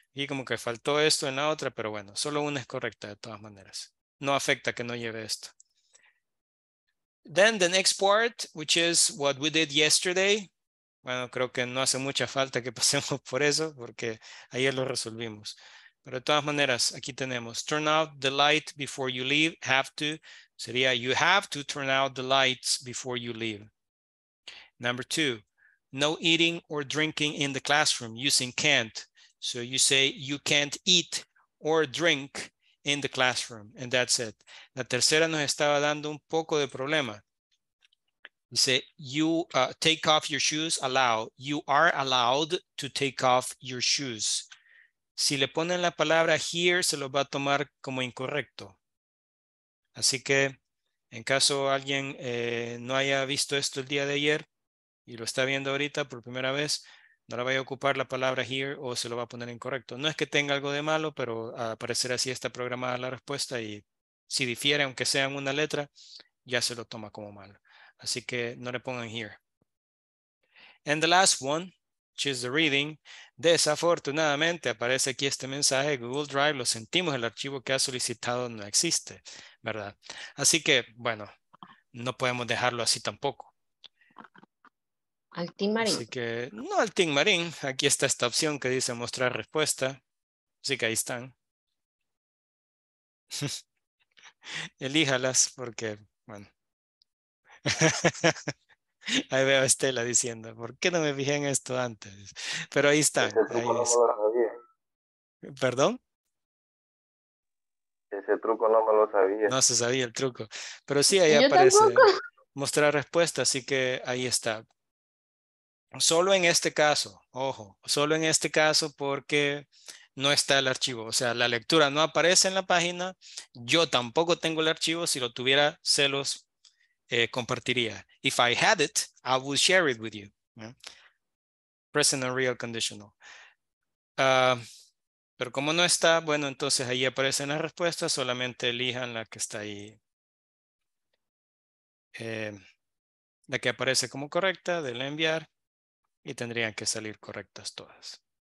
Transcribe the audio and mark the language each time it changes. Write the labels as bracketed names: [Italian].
[Spanish] Y como que faltó esto en la otra, pero bueno, solo una es correcta de todas maneras. No afecta que no lleve esto. [English] Then the next part, which is what we did yesterday. [Spanish] Bueno, creo que no hace mucha falta que pasemos por eso, porque ayer lo resolvimos. Pero de todas maneras, aquí tenemos, [English] turn out the light before you leave, have to. [Spanish] Sería, [English] you have to turn out the lights before you leave. Number two, no eating or drinking in the classroom using can't. So you say, you can't eat or drink in the classroom, and that's it. [Spanish] La tercera nos estaba dando un poco de problema. Dice, [English] you take off your shoes, allow. You are allowed to take off your shoes. [Spanish] Si le ponen la palabra here, se lo va a tomar como incorrecto. Así que, en caso alguien no haya visto esto el día de ayer y lo está viendo ahorita por primera vez, no la vaya a ocupar la palabra here o se lo va a poner incorrecto. No es que tenga algo de malo, pero aparecerá así está programada la respuesta y si difiere, aunque sea en una letra, ya se lo toma como malo. Así que no le pongan here. [English] And the last one, which is the reading. [Spanish] Desafortunadamente, aparece aquí este mensaje. Google Drive, lo sentimos, el archivo que ha solicitado no existe, ¿verdad? Así que, bueno, no podemos dejarlo así tampoco. Al Team Marín. Así que, no al Team Marín. Aquí está esta opción que dice mostrar respuesta. Así que ahí están. Elíjalas porque, bueno. Ahí veo a Estela diciendo, ¿por qué no me fijé en esto antes? Pero ahí están. Ahí es. No, ¿perdón? Ese truco no me lo sabía. No se sabía el truco. Pero sí, ahí aparece. Mostrar respuesta, así que ahí está. Solo en este caso, ojo, solo en este caso porque no está el archivo, o sea, la lectura no aparece en la página, yo tampoco tengo el archivo, si lo tuviera se los compartiría. [English] If I had it, I would share it with you. Present and real conditional. [Spanish] Pero como no está, bueno, entonces ahí aparecen las respuestas, solamente elijan la que está ahí. La que aparece como correcta, denle enviar y tendrían que salir correctas todas.